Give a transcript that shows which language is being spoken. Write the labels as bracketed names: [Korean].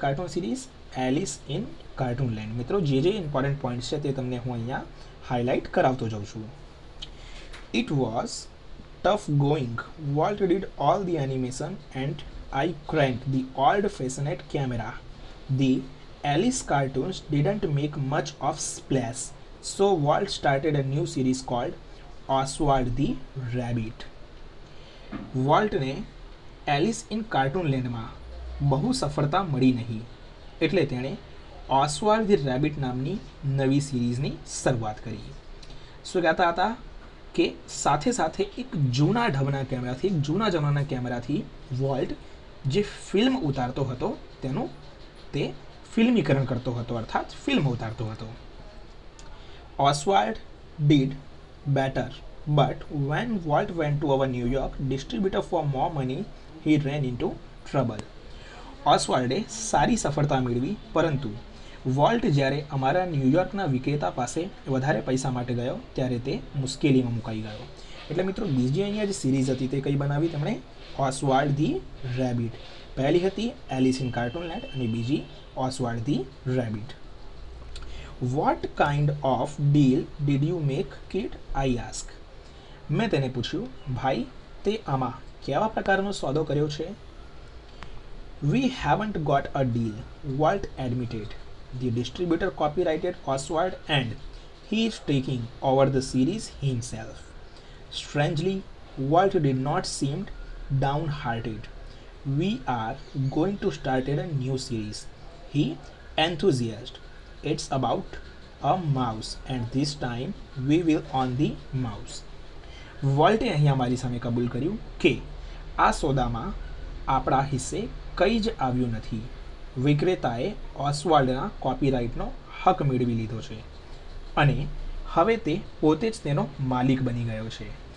[Gujarati] Cartoon series Alice in cartoon land. મિત્રો, જે જે ઇમ્પોર્ટન્ટ પોઈન્ટ છે તે તમને હું અહીંયા હાઈલાઇટ કરાવતો જાઉં છું. [English] It was tough going. Walt did all the animation and I crank the old fashioned camera. The Alice cartoons didn't make much of splash, so Walt started a new series called Oswald the Rabbit. [Gujarati] Walt ને Alice in Cartoon Land માં બહુ સફળતા મળી નહીં, એટલે તેણે Oswald the Rabbit નામની નવી સિરીઝની શરૂઆત કરી. શું કહેતા હતા? કે સાથે સાથે એક જૂના ઢબના કેમેરાથી, જૂના જમાના કેમેરાથી વોલ્ટ જે ફિલ્મ ઉતારતો હતો તેનું તે ફિલ્મીકરણ કરતો હતો, અર્થાત ફિલ્મ ઉતારતો હતો. [English] Oswald did better, but when Walt went to our New York distributor for more money, he ran into trouble. [Gujarati] ઓસ્વાલ્ડે સારી સફળતા મેળવી, પરંતુ વોલ્ટ જ્યારે અમારા ન્યૂયોર્કના વિક્રેતા પાસે વધારે પૈસા માટે ગયો ત્યારે તે મુશ્કેલીમાં મુકાઈ ગયો. એટલે મિત્રો, બીજી અહીંયા જે સિરીઝ હતી તે કઈ બનાવી તેમણે? ઓસ્વાલ્ડ ધી રેબિટ. પહેલી હતી એલિસ ઇન કાર્ટૂન લેન્ડ અને બીજી Oswald the Rabbit. [English] What kind of deal did you make, kid? I ask. [Gujarati] મેં તેને પૂછ્યું, ભાઈ તે આમાં કેવા પ્રકારનો સોદો કર્યો છે? [English] We haven't got a deal, Walt admitted. The distributor copyrighted Oswald and he is taking over the series himself. Strangely, Walt did not seem downhearted. We are going to start a new series. He enthused. It's about a mouse and this time we will own the mouse. [Gujarati] વોલ્ટે અહીંયા મારી સામે કબૂલ કર્યું કે આ સોદામાં આપણા હિસ્સે કંઈ જ આવ્યું નથી. વિક્રેતાએ ઓસ્વાલ્ડના કોપીરાઇટનો હક મેળવી લીધો છે અને હવે તે પોતે જ તેનો માલિક બની ગયો છે.